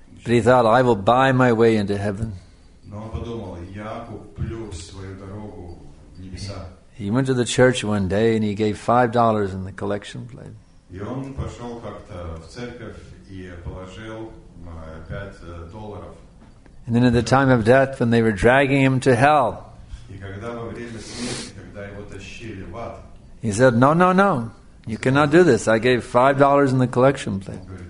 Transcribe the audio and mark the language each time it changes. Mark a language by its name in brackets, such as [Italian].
[English] But he thought, I will buy my way into heaven. [Russian] Но он подумал, я куплю свою дорогу в небеса. [English] He went to the church one day and he gave $5 in the collection plate. [Russian] И он пошел как-то в церковь и положил $5. [English] And then at the time of death, when they were dragging him to hell, he said, no, you cannot do this. I gave $5 in the collection plate.